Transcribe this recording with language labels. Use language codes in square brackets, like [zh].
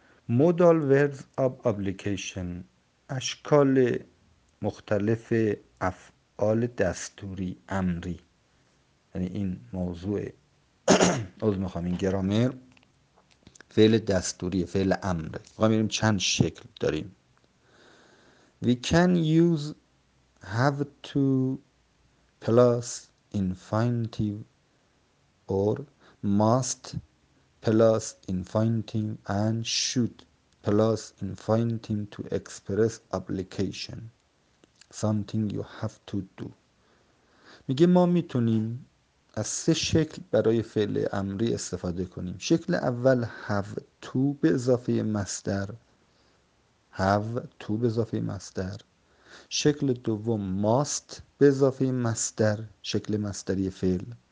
[en] Modal Verbs of Obligation، [fa] اشکال مختلف افعال دستوری امری، یعنی این موضوع این گرامر فعل دستوری، فعل امر. می‌بینیم چند شکل داریم. [en] We can use have to plus infinitive or must plus infinitive and should plus infinitive to express obligation, something you have to do. [fa] میگه ما میتونیم از سه شکل برای فعل امری استفاده کنیم. شکل اول have to به اضافه مصدر، have to به اضافه مصدر. شکل دوم ماست به اضافه مصدر، شکل مصدری فعل.